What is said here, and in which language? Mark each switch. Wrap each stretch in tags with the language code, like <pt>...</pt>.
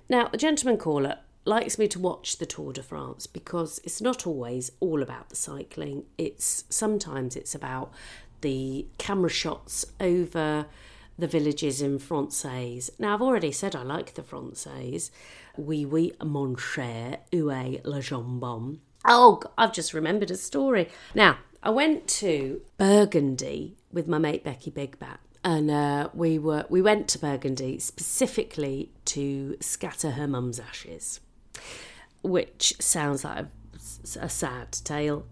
<en>Now, the gentleman caller likes me to watch the Tour de France because it's not always all about the cycling. Sometimes it's about the camera shots over the villages in Française. Now, I've already said I like the Française.</en> <fr>Oui, oui, mon cher, où est le jambon?</fr> <en>Oh, I've just remembered a story. Now, I went to Burgundy with my mate Becky Bigbat. And we went to Burgundy specifically to scatter her mum's ashes, which sounds like a sad tale.</en>